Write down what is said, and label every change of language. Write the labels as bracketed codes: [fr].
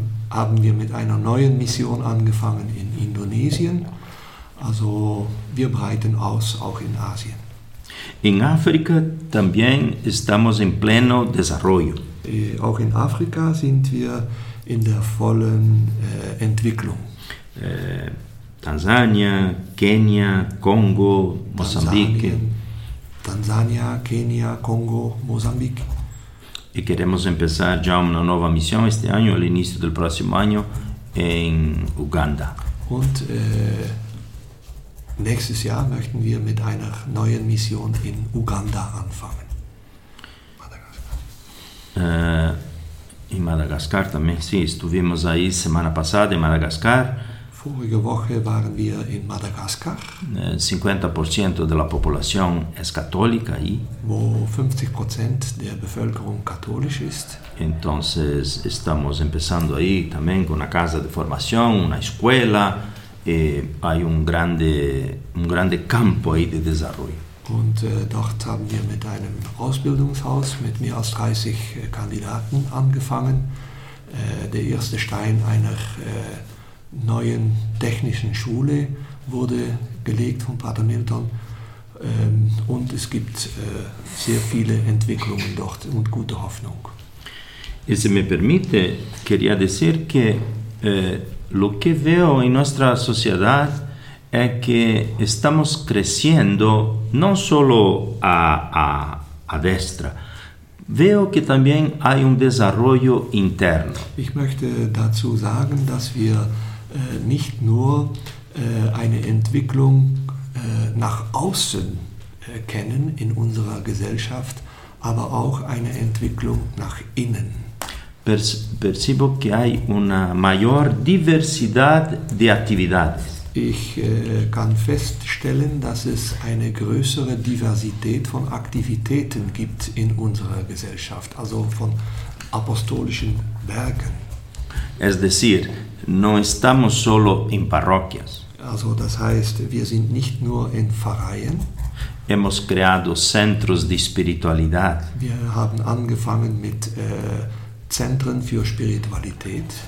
[de] Haben wir mit einer neuen Mission angefangen in Indonesien. Also wir breiten aus auch in Asien. In Afrika [es] también estamos en pleno desarrollo. [de] Auch in Afrika sind wir in der vollen Entwicklung. [es] Tanzania, Kenia, Kongo, Mosambique. [de] Tanzania, Kenia, Kongo, Mosambique. [pt] E queremos empezar já uma nova missão este ano, ao início do próximo ano, em Uganda. [de] Und nächstes Jahr möchten wir mit einer neuen Mission in Uganda anfangen. [pt] Em Madagascar também, sim, estivemos aí semana passada em Madagascar. [de] Vorige Woche waren wir in Madagaskar. [es] 50% de la población es católica ahí. Wo 50% der Bevölkerung katholisch ist. Entonces estamos empezando ahí también con una casa de formación, una escuela. Hay un grande campo ahí de desarrollo. [de] Und dort haben wir mit einem Ausbildungshaus mit mehr als 30 Kandidaten angefangen. Der erste Stein einer neuen technischen Schule wurde gelegt von Pater Milton und es gibt sehr viele Entwicklungen dort und gute Hoffnung. [es] Y si me permite, quería decir que lo que veo en nuestra sociedad es que estamos creciendo no solo [it] a destra. [es] Veo que también hay un desarrollo interno. [de] Ich möchte dazu sagen, dass wir nicht nur eine Entwicklung nach außen kennen in unserer Gesellschaft, aber auch eine Entwicklung nach innen. [es] Percibo que hay una mayor diversidad de actividades. [de] Ich kann feststellen, dass es eine größere Diversität von Aktivitäten gibt in unserer Gesellschaft, also von apostolischen Werken. [es] Es decir, no estamos solo en parroquias. [de] Also, das heißt, wir sind nicht nur in Pfarreien. [es] Hemos creado centros de espiritualidad. [de] Wir haben angefangen mit Zentren für Spiritualität.